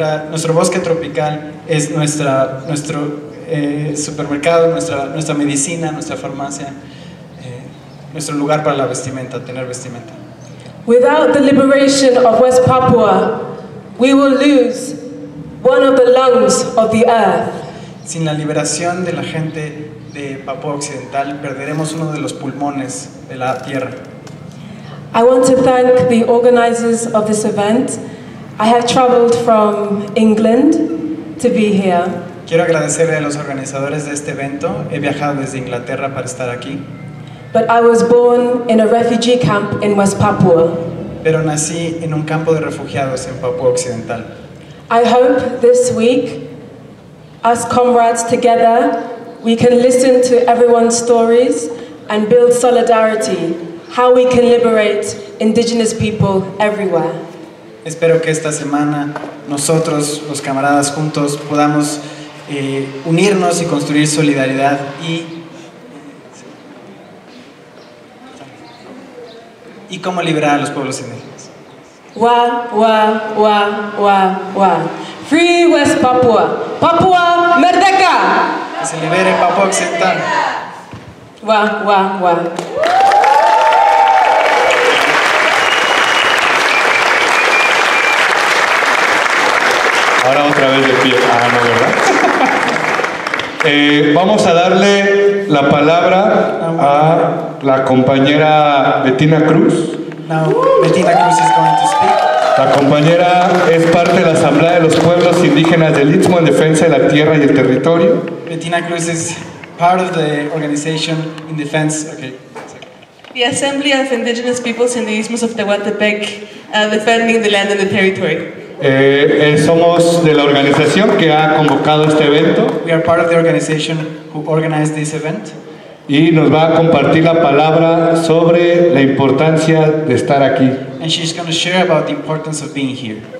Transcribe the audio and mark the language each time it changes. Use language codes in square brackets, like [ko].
[es] Nuestro bosque tropical es nuestro supermercado, nuestra medicina, nuestra farmacia, nuestro lugar para la vestimenta, tener vestimenta. [en] Without the liberation of West Papua, we will lose one of the lungs of the earth. [es] Sin la liberación de la gente de Papua Occidental, perderemos uno de los pulmones de la tierra. [en] I want to thank the organizers of this event. I have traveled from England to be here. [es] Quiero agradecerle a los organizadores de este evento. He viajado desde Inglaterra para estar aquí. [en] But I was born in a refugee camp in West Papua. [es] Pero nací en un campo de refugiados en Papua Occidental. [en] I hope this week, us comrades together we can listen to everyone's stories and build solidarity, how we can liberate indigenous people everywhere. [es] Espero que esta semana nosotros, los camaradas juntos, podamos unirnos y construir solidaridad y cómo liberar a los pueblos indígenas. [en] Wa, wa, wa, wa, wa. Free West Papua. [id] Papua Merdeka. [es] Que se libere Papua Occidental. Wa, wa, wa. Ahora otra vez de pie. Ah, no, ¿verdad? Vamos a darle la palabra a la compañera Bettina Cruz. [en] Bettina Cruz is going to speak. [es] La compañera es parte de la Asamblea de los Pueblos Indígenas del Istmo en defensa de la tierra y el territorio. [en] Bettina Cruz is part of the organization in defense. Okay. The Assembly of Indigenous Peoples in the Isthmus of Tehuantepec, defending the land and the territory. [es] Somos de la organización que ha convocado este evento. [en] We are part of the organization who organized this event. [es] Y nos va a compartir la palabra sobre la importancia de estar aquí. [en] And she's going to share about the importance of being here.